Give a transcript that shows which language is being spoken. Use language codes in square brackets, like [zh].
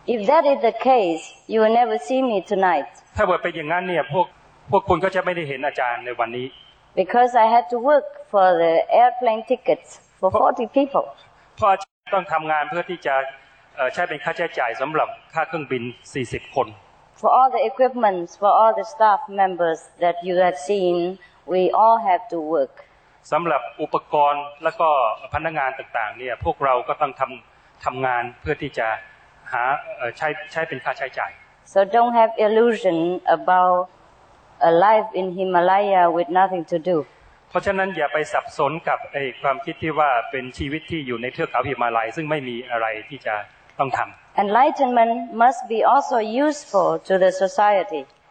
[en] If that is the case you will never see me tonight [th] ถ้าเกิดเป็นอย่างนั้นเนี่ยพวกคุณก็จะไม่ได้เห็นอาจารย์ในวันนี้ [en] Because I had to work for the airplane tickets for 40 people [th] เพราะอาจารย์ต้องทำงานเพื่อที่จะใช้เป็นค่าใช้จ่ายสำหรับค่าเครื่องบิน40คน [en] For all the equipments for all the staff members that you have seen we all have to work [th] สำหรับอุปกรณ์และก็พนักงานต่างๆเนี่ยพวกเราก็ต้องทำงานเพื่อที่จะหาใช้เป็นค่าใช้จ่าย [en] So don't have illusion about a life in Himalaya with nothing to do [th] เพราะฉะนั้นอย่าไปสับสนกับความคิดที่ว่าเป็นชีวิตที่อยู่ในเทือกเขาหิมาลัยซึ่งไม่มีอะไรที่จะต้องทำ [en] Enlightenment must be also useful to the society